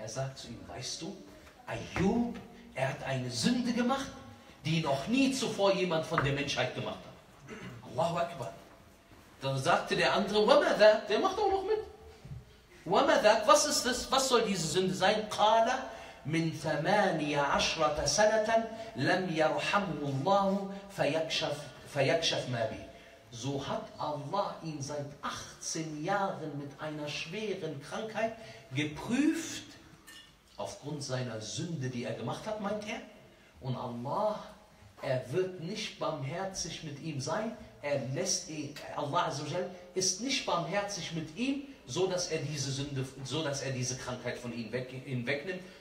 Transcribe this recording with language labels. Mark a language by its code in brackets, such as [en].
[de] Er sagt zu ihm, weißt du, Ayyub, er hat eine Sünde gemacht, die noch nie zuvor jemand von der Menschheit gemacht hat. Allahu Akbar. Dann sagte der andere, وماذا, der macht auch noch mit. وماذا, was ist das, was soll diese Sünde sein? [ar] قال من ثمانية عشرة سنة لم يرحمه الله فيكشف ما به. [de] So hat Allah ihn seit 18 Jahren mit einer schweren Krankheit geprüft, aufgrund seiner Sünde, die er gemacht hat, meint er. Und Allah, er wird nicht barmherzig mit ihm sein, er lässt ihn, Allah ist nicht barmherzig mit ihm, so dass er diese Sünde, so dass er diese Krankheit von ihm hinwegnimmt.